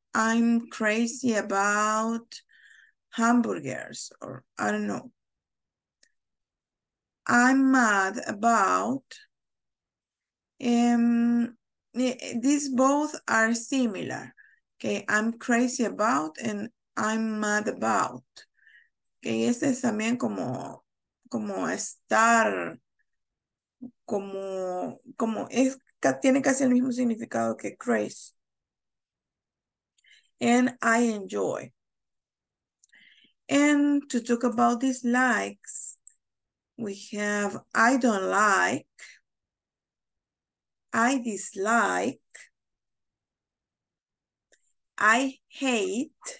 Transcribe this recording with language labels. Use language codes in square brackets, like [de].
[en] I'm crazy about hamburgers, or I don't know. I'm mad about. These both are similar. Okay, I'm crazy about and I'm mad about. [es] Okay, este es también como estar, como es, tiene casi el mismo significado que crazy. [en] And I enjoy. And to talk about dislikes, we have I don't like, I dislike, I hate.